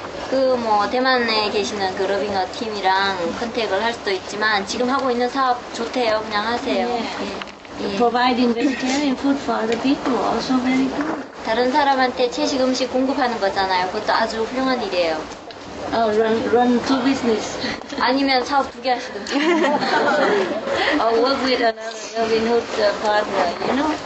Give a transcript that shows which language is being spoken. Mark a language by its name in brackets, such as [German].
[Korean] 그 뭐 대만에 계시는 그 러빙어 팀이랑 컨택을 할 수도 있지만 지금 하고 있는 사업 좋대요. 그냥 하세요. [English] Yeah. Yeah. Providing vegetarian food for other people also very good. [Korean] 다른 사람한테 채식 음식 공급하는 거잖아요. 그것도 아주 훌륭한 일이에요. [English] Run two business. [Korean] 아니면 사업 두 개 하시든지. [English] Work with another Robin Hood partner, you know?